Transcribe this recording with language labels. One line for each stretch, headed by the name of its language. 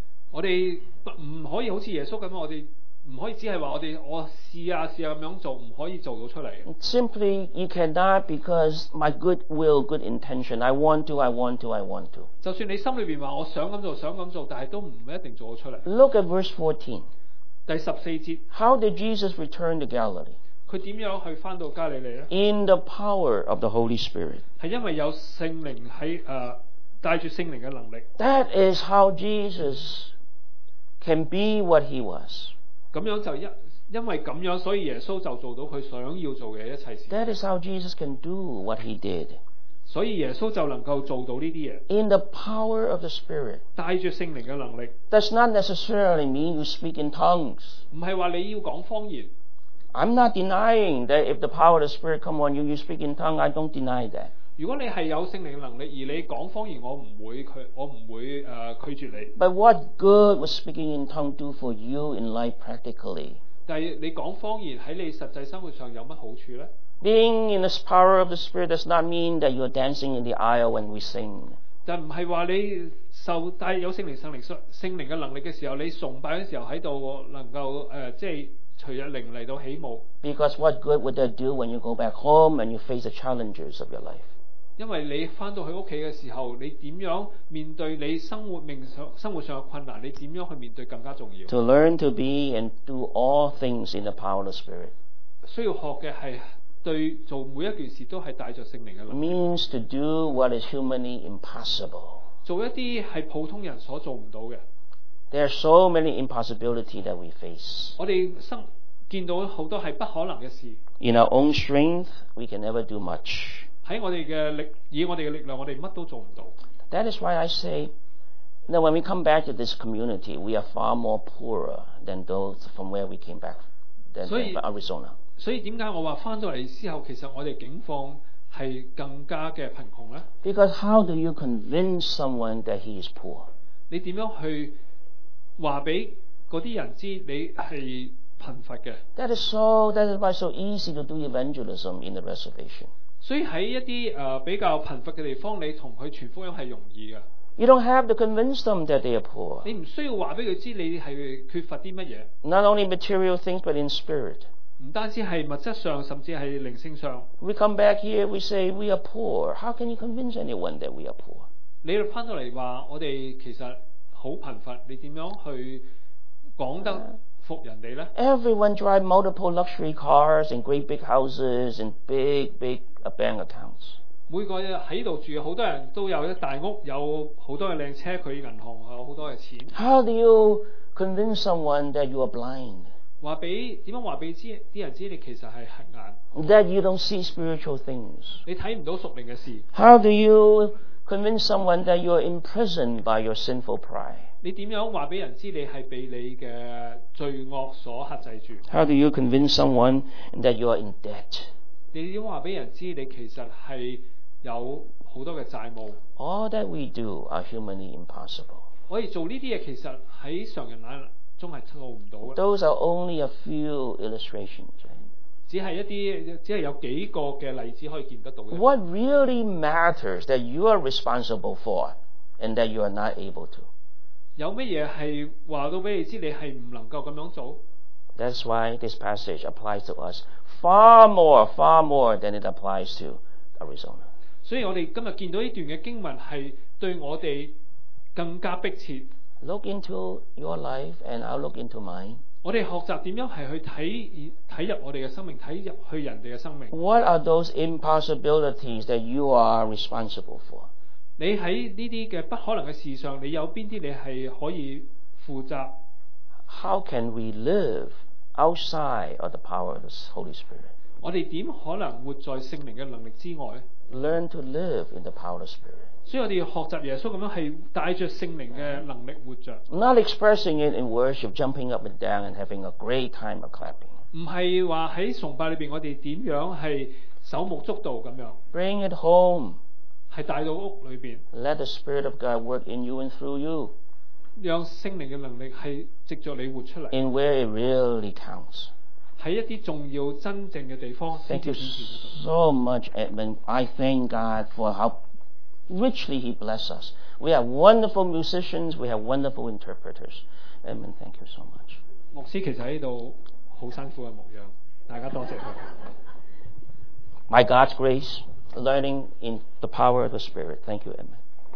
Chinese: 我们不可以好像耶稣那样我们不可以只是说我试啊试啊这样做不可以做到出来
English: Simply you cannot because my good will good intention I want to
Chinese: 就算你心里面说我想这样做想这样做但是都不一定做到出来
English: Look at verse 14
Chinese: 第十四节
English: How did Jesus return to Galilee?
Chinese: 他怎样去回到加利利呢?
English: In the power of the Holy Spirit.
Chinese: 是因为有圣灵在带着圣灵的能力。
English: That is how Jesus can be what he was.
Chinese: 这样就因为这样所以耶稣就做到他想要做的一切事。
English: That is how Jesus can do what he did.
Chinese: 所以耶稣就能够做到这些事。
English: In the power of the Spirit.
Chinese: 带着圣灵的能力。
English: Does not necessarily mean you speak in tongues.
Chinese: 不是说你要讲方言。
English: I'm not denying that if the power of the Spirit come on you, you speak in tongue, I don't deny that.
Chinese: 如果你是有圣灵能力而你讲方言我不会拒绝你。
English: But what good would speaking in tongue do for you in life practically?
Chinese: 但是你讲方言在你实际生活上有什么好处呢?
English: Being in the power of the Spirit does not mean that you're dancing in the aisle when we sing.
Chinese: 就不是说你受带有圣灵的能力的时候你崇拜的时候在这里能够随着灵来到起舞
English: Because what good would that do when you go back home and you face the challenges of your life?
Chinese: 因为你回到家的时候，你怎样面对你生活上的困难，你怎样去面对更加重要。
English: To learn to be and do all things in the power of the Spirit.
Chinese: 需要学的是对做每一件事都是带着圣灵的能力。
English: Means to do what is humanly impossible.
Chinese: 做一些是普通人所做不到的。
English: There are so many impossibilities that we face.
Chinese: 我们生见到很多是不可能的事。
English: In our own strength, we can never do much.
Chinese: 在我们的力以我们的力量，我们什么都做不到。
English: That is why I say, that when we come back to this community, we are far more poorer than those from where we came back, than from Arizona.
Chinese: 所以为什么我说回到来之后，其实我们境况是更加的贫穷呢？
English: Because how do you convince someone that he is poor?
Chinese: 你怎样去告诉那些人知你是贫乏的？
English: That is why so easy to do evangelism in the reservation.
Chinese: 所以在一些比较贫乏的地方，你跟他传福音是容易的。
English: You don't have to convince them that they are poor.
Chinese: 你不需要告诉他知你是缺乏什么。
English: Not only material things, but in spirit.
Chinese: 不单是物质上，甚至是灵性上。
English: We come back here, we say, we are poor. How can you convince anyone that we are poor?
Chinese: 你回来说，我们其实很贫乏，你怎样去讲得服人呢？
English: Everyone drive multiple luxury cars and great big houses and big bank accounts.
Chinese: 每个在这里住很多人都有大屋，有很多的靓车，他银行有很多的钱。
English: How do you convince someone that you are blind?
Chinese: 怎样告诉人知你其实是瞎眼？
English: That you don't see spiritual things.
Chinese: 你看不到属灵的事。
English: How do youconvince someone that you are imprisoned by your sinful pride?
Chinese: 你怎样告诉人知你是被你的罪恶所限制住？
English: How do you convince someone that you are in debt?
Chinese: 你怎样告诉人知你其实是有很多的债务？
English: All that we do are humanly impossible.
Chinese: 我们做这些其实在常人眼中是做不到的。
English: Those are only a few illustrations.
Chinese: 只是有几个的例子可以见得到的。
English: What really matters that you are responsible for and that you are not able to?
Chinese: 有什么是告诉你你是不能够这样做？
English: That's why this passage applies to us far more than it applies to Arizona.
Chinese: 所以我们今天见到这段的经文是对我们更加迫切。
English: Look into your life and I'll look into mine.
Chinese: 我们学习怎样是去 看入我们的生命，看入去人的生命。
English: What are those impossibilities that you are responsible for?
Chinese: 你在这些的不可能的事上，你有哪些你是可以负责？
English: How can we live outside of the power of the Holy Spirit?
Chinese: 我们怎么可能活在圣灵的能力之外？
English: Learn to live in the power of the Spirit.
Chinese: 所以我们要学习耶稣这样是带着圣灵的能力活着。
English: Not expressing it in worship, jumping up and down and having a great time of clapping.
Chinese: 不是说在崇拜里面我们怎样是手舞足蹈这样。
English: Bring it home.
Chinese: 是带到屋里面。
English: Let the Spirit of God work in you and through you.
Chinese: 让圣灵的能力是藉着你活出来。
English: In where it really counts.
Chinese: 在一些重要真正的地方。
English: Thank you so much, Edmund. I thank God for how richly He blessed us. We have wonderful musicians, we have wonderful interpreters. Edmund, thank you so much.
Chinese: 牧师其实在这里很辛苦的模样，大家多谢他。
English: By God's grace, learning in the power of the Spirit. Thank you, Edmund.